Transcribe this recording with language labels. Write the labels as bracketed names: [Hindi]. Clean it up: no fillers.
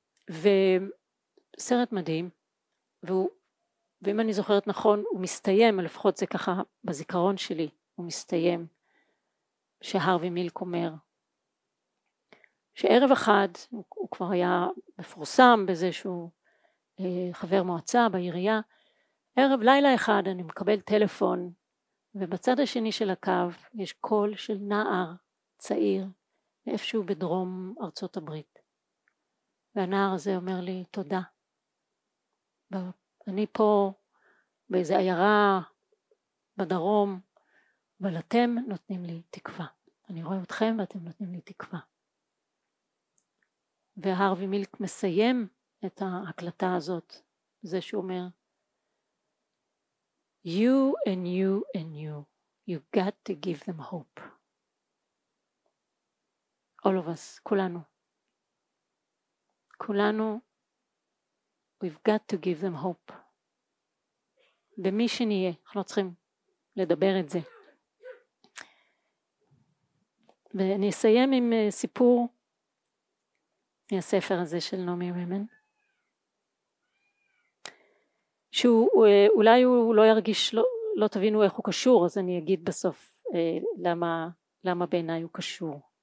[Hebrew] וסרט מדהים, ואם אני זוכרת נכון, הוא מסתיים, לפחות זה ככה בזיכרון שלי, הוא מסתיים, שהרווי מילק אומר, שערב אחד, הוא כבר היה מפורסם בזה שהוא חבר מועצה בעירייה, ערב לילה אחד אני מקבל טלפון, ובצד השני של הקו יש קול של נער צעיר, איפשהו בדרום ארצות הברית. והנער הזה אומר לי, תודה. אני פה באיזו עיירה בדרום, אבל אתם נותנים לי תקווה. אני רואה אתכם ואתם נותנים לי תקווה. והרווי מילק מסיים את ההקלטה הזאת, זה שאומר, [English] you and you and you, you got to give them hope. All of us, [Hebrew] כולנו. כולנו, [English] we've got to give them hope. [Hebrew] במי שנהיה, אנחנו לא צריכים לדבר את זה. ואני אסיים עם סיפור מהספר הזה של נעמי רימן. שהוא, אולי הוא לא ירגיש, לא תבינו איך הוא קשור, אז אני אגיד בסוף למה בעיניי הוא קשור.